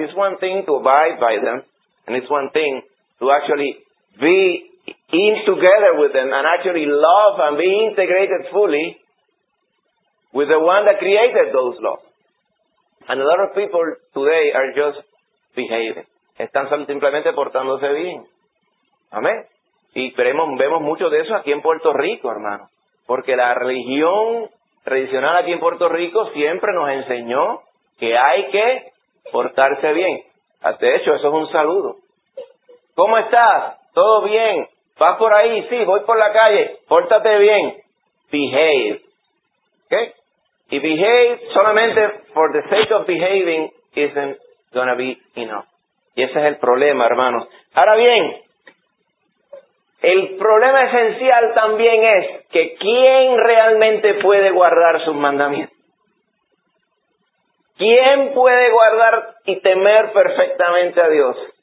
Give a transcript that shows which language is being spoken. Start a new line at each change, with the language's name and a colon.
English: It's one thing to abide by them, and it's one thing to actually be in together with them and actually love and be integrated fully with the one that created those laws. And a lot of people today are just behaving.
Spanish: Están simplemente portándose bien. Amén. Y vemos mucho de eso aquí en Puerto Rico, hermano. Porque la religión tradicional aquí en Puerto Rico siempre nos enseñó que hay que portarse bien. De hecho, eso es un saludo. ¿Cómo estás? ¿Todo bien? ¿Vas por ahí? Sí, voy por la calle. Pórtate bien. Behave. ¿Ok?
English: Y behave solamente for the sake of behaving isn't gonna be enough.
Spanish: Y ese es el problema, hermanos. Ahora bien, el problema esencial también es que ¿quién realmente puede guardar sus mandamientos? ¿Quién puede guardar y temer perfectamente a Dios?